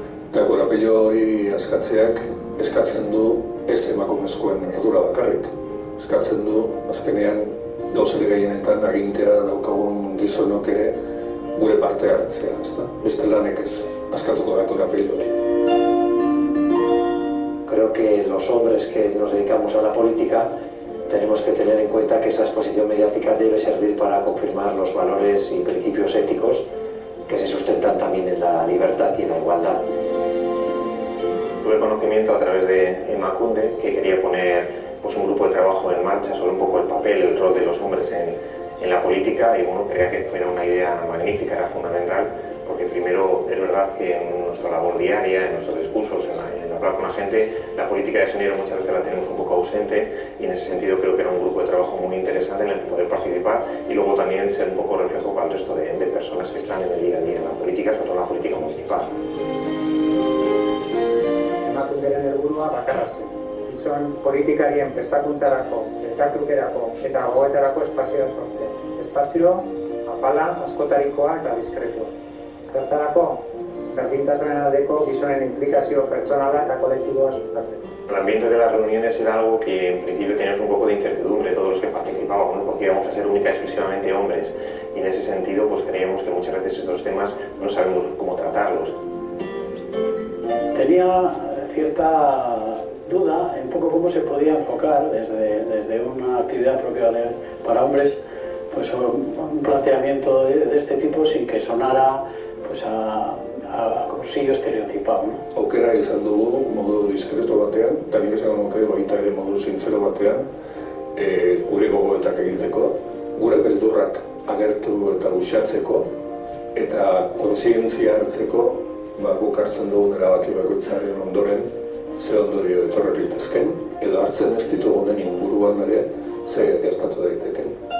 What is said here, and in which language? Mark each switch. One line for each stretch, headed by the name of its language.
Basque: Eta korapilo hori askatzeak eskatzen du ez emakumezkoen ardura bakarrik. Eskatzen du azkenean gauzari gehienetan agintea daukagun gizonok ere gure parte hartzea. Ezta? Beste lanek ez askatuko da korapilo hori.
Spanish: Creo que los hombres que nos dedicamos a la política tenemos que tener en cuenta que esa exposición mediática debe servir para confirmar los valores y principios éticos que se sustentan también en la libertad y en la igualdad. Tuve conocimiento a través de Emakunde que quería poner pues, un grupo de trabajo trabajo en marcha sobre un poco el papel, el rol de los hombres en la política y bueno, creía que fuera una idea magnífica, era fundamental, porque primero es verdad que en nuestra labor diaria, en nuestros discursos, en hablar con la gente, la política de género muchas veces la tenemos un poco ausente y en ese sentido creo que era un grupo de trabajo muy interesante en el poder participar y luego también ser un poco reflejo para el resto de personas que están en el día a día en la política, sobre todo en la política municipal.
Basque: Emakunderen helburua bakarra zen. Gizon politikarien prestakuntzarako, elkartrukerako eta gogoetarako espazioa sortzen. Espazio apala, askotarikoa eta diskretua. Zertarako, berdintasunen aldeko gizonen implikazio pertsonala eta kolektiboa sustatzen.
Spanish: El ambiente de las reuniones era algo que en principio teníamos un poco de incertidumbre todos los que participábamos, ¿no? Porque íbamos a ser única y exclusivamente hombres. Y en ese sentido, pues creíamos que muchas veces estos temas no sabemos cómo tratarlos. Tenía cierta duda en poco cómo se podía enfocar desde una actividad propia para hombres pues un planteamiento de este tipo sin que sonara pues a cursillo estereotipado, ¿no?
Basque: Aukera izan dugu modu diskreto batean, tamik esan nuke baita ere modu sintzero batean, gure gogoetak egiteko, gure beldurrak agertu eta usatzeko, eta kontzientzia hartzeko, guk hartzen dugun erabaki bakoitzaren ondoren, ze ondorio etorri litezken, edo hartzen ez ditugunen inguruan ere, ze gertatu daiteken.